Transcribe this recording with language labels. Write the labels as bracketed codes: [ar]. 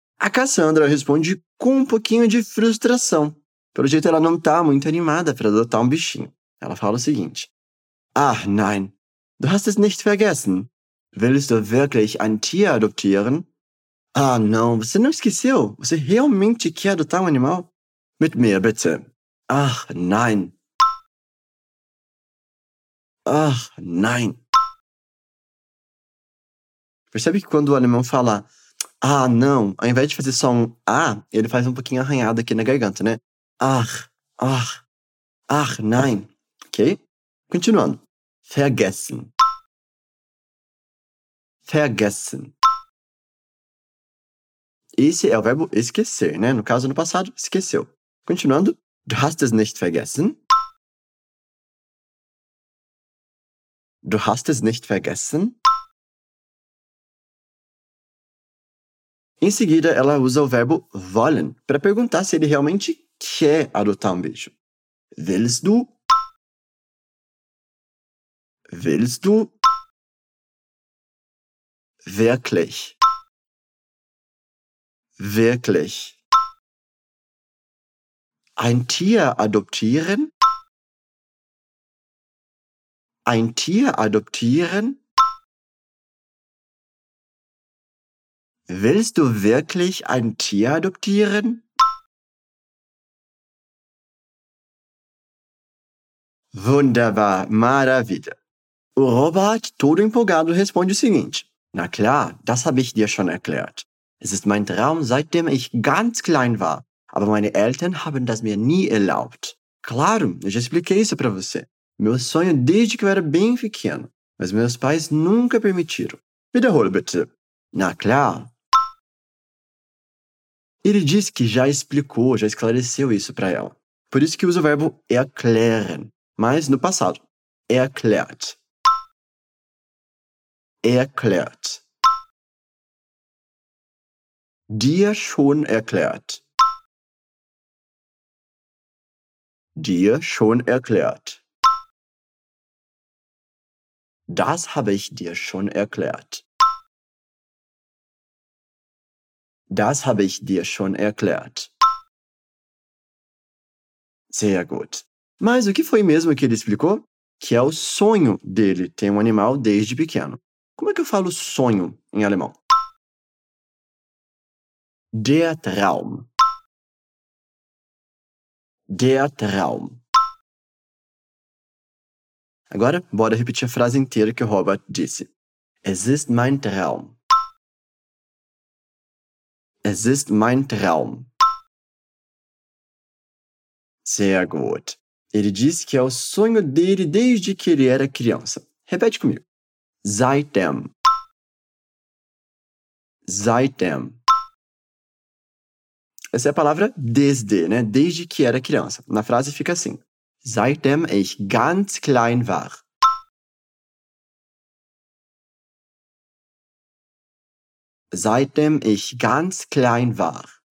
[pt] A Cassandra responde com um pouquinho de frustração. Pelo jeito, ela não tá muito animada para adotar um bichinho. Ela fala o seguinte. [de] Ah, nein. Du hast es nicht vergessen. Willst du wirklich ein Tier adoptieren? [pt] Ah, não. Você não esqueceu? Você realmente quer adotar um animal? [de] Mit mir, bitte. Ach, nein. Ach, nein. [pt] Percebe que quando o alemão fala ah, não, ao invés de fazer só um ah, ele faz um pouquinho arranhado aqui na garganta, né? [de] Ach, ach, ach, nein. Ok? [pt] Continuando. [de] Vergessen. Vergessen. [pt] Esse é o verbo esquecer, né? No caso, no passado, esqueceu. Continuando. [de] Du hast es nicht vergessen. Du hast es nicht vergessen. [pt] Em seguida, ela usa o verbo wollen para perguntar se ele realmente quer adotar um bicho. [de] Willst du? Willst du? Wirklich. Wirklich. Ein Tier adoptieren? Ein Tier adoptieren? Willst du wirklich ein Tier adoptieren? Wunderbar, [pt] maravilha. O Robert, todo empolgado, responde o seguinte. [de] Na klar, das habe ich dir schon erklärt. Es ist mein Traum, seitdem ich ganz klein war. Aber meine Eltern haben das mir nie erlaubt. [pt] Claro, eu já expliquei isso para você. Meu sonho desde que eu era bem pequeno. Mas meus pais nunca permitiram. [de] Wiederhole bitte. Na klar. [pt] Ele disse que já explicou, já esclareceu isso para ela. Por isso que usa o verbo erklären. Mas no passado. Erklärt. [de] Erklärt. Dir schon erklärt. Dir schon erklärt. Das habe ich dir schon erklärt. Das habe ich dir schon erklärt. Sehr gut. [pt] Mas o que foi mesmo que ele explicou? Que é o sonho dele ter um animal desde pequeno. Como é que eu falo sonho em alemão? [de] Der Traum. Der Traum. [pt] Agora, bora repetir a frase inteira que o Robert disse. [de] Es ist mein Traum. Es ist mein Traum. Sehr gut. [pt] Ele disse que é o sonho dele desde que ele era criança. Repete comigo. [de] Seitdem. Seitdem. [pt] Essa é a palavra desde, né? Desde que era criança. Na frase fica assim. [de] Seitdem ich ganz klein war. Seitdem ich ganz klein war.